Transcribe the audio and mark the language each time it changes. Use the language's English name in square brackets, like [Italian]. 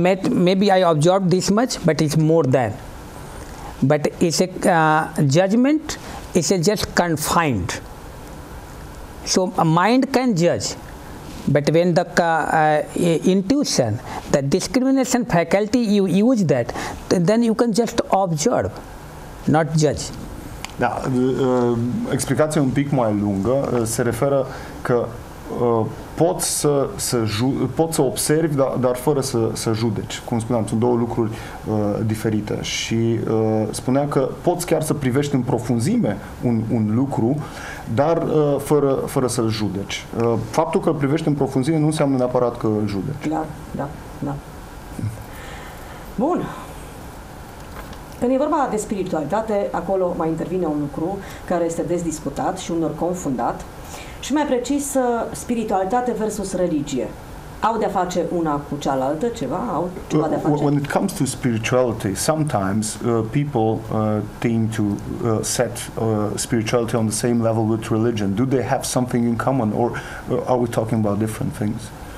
[English] Maybe I observe this much, but it's more than. But it's a judgment. It's just confined. So a mind can judge, but when the intuition, the discrimination faculty, you use that, then you can just observe, not judge. [Romanian] Da, explicația un pic mai lungă se referă că poți să observi, dar fără să judeci. Cum spuneam, sunt două lucruri diferite. Și spunea că poți chiar să privești în profunzime un lucru, dar fără să-l judeci. Faptul că privești în profunzime nu înseamnă neapărat că îl judeci. Clar, da, da. Bun. Când e vorba de spiritualitate, acolo mai intervine un lucru care este des discutat și unor confundat. Și mai precis, spiritualitate versus religie. Au de-a face una cu cealaltă ceva? Au ceva de-a face? [English] When it comes to spirituality, sometimes people tend to set spirituality on the same level with religion. Do they have something in common or are we talking about different things?